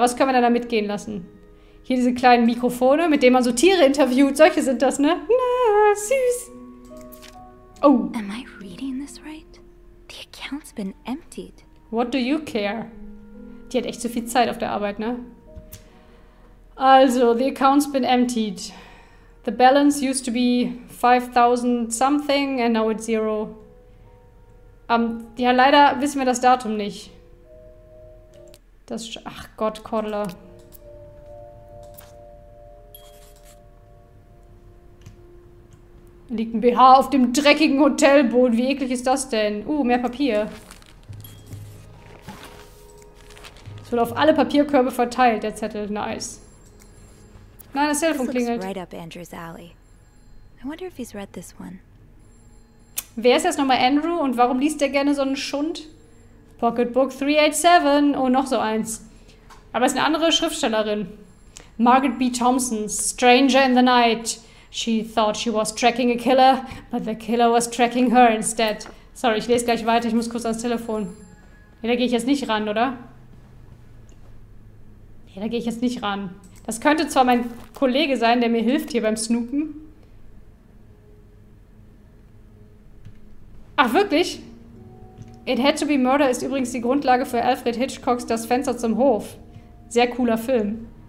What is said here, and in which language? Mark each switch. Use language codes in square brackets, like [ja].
[de] Was können wir denn da mitgehen lassen? Hier diese kleinen Mikrofone, mit denen man so Tiere interviewt. Solche sind das, ne? Na, süß. Oh. [en] Am I reading this right? The account's been emptied. What do you care? [de] Die hat echt zu viel Zeit auf der Arbeit, ne? [en] Also, the account's been emptied. The balance used to be 5000 something and now it's 0. [de] Ja, leider wissen wir das Datum nicht. Ach Gott, Cordula. Liegt ein BH auf dem dreckigen Hotelboden. Wie eklig ist das denn? Mehr Papier. Es wird auf alle Papierkörbe verteilt, der Zettel. Nice. Nein, das Telefon klingelt. [en] Right up Andrew's alley. I wonder if he's read this one. [de] Wer ist jetzt nochmal Andrew und warum liest der gerne so einen Schund? Pocketbook 387. Oh, noch so eins. Aber es ist eine andere Schriftstellerin. Margaret B. [en] Thompson, Stranger in the Night. She thought she was tracking a killer, but the killer was tracking her instead. [de] Sorry, ich lese gleich weiter. Ich muss kurz ans Telefon. Ja, da gehe ich jetzt nicht ran, oder? Ja, da gehe ich jetzt nicht ran. Das könnte zwar mein Kollege sein, der mir hilft hier beim Snoopen. Ach, wirklich? It Had to Be Murder ist übrigens die Grundlage für Alfred Hitchcocks Das Fenster zum Hof. Sehr cooler Film.